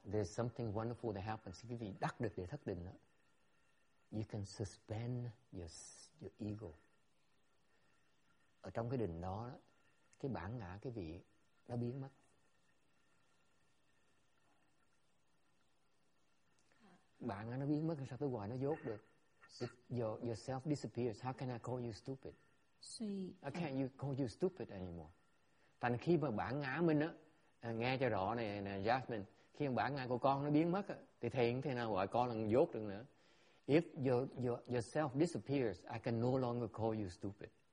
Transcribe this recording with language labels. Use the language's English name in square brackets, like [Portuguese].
[English] There's something wonderful that happens. [Vietnamese] Quý vị đắc được để thất định đó, [English] you can suspend your ego. [Vietnamese] Ở trong cái định đó, cái bản ngã quý vị nó biến mất. Bạn nó biến mất sao tôi gọi nó dốt được. [English] If yourself disappears, how can I call you stupid? I can't call you stupid anymore. [Vietnamese] Thành khi mà bản ngã mình á, nghe cho rõ này, này Jasmine, khi mà bản ngã của con nó biến mất á, thì thầy không thể nào gọi con là dốt được nữa. [English] If yourself disappears, I can no longer call you stupid.